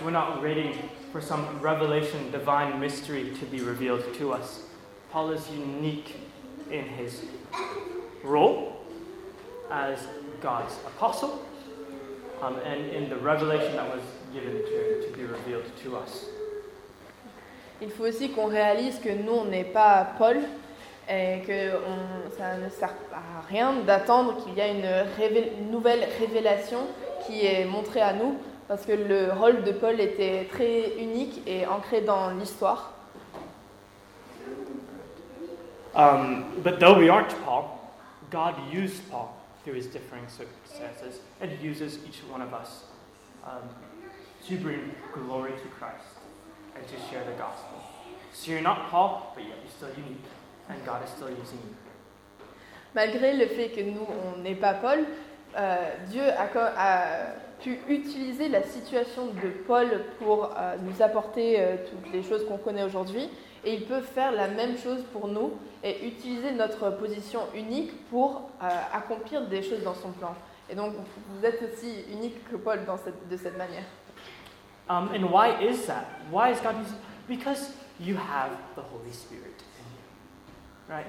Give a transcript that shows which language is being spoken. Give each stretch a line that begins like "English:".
English: We're not waiting for some revelation, divine mystery to be revealed to us. Paul is unique in his role as God's apostle, and in the revelation that was given to be revealed to us.
French: Il faut aussi qu'on réalise que nous, on n'est pas Paul, et que ça ne sert à rien d'attendre qu'il y ait une nouvelle révélation qui est montrée à nous, parce que le rôle de Paul était très unique et ancré dans l'histoire.
English: But though we aren't Paul, God used Paul through his differing circumstances and uses each one of us to bring glory to Christ and to share the gospel. So you're not Paul, but yet you're still unique and God is still using you.
French: Malgré le fait que nous, on n'est pas Paul, Dieu a pu utiliser la situation de Paul pour nous apporter toutes les choses qu'on connaît aujourd'hui. Et il peut faire la même chose pour nous et utiliser notre position unique pour accomplir des choses dans son plan. Et donc, vous êtes aussi unique que Paul dans cette manière.
English: And why is that? Why is God using? Because you have the Holy Spirit in you. Right?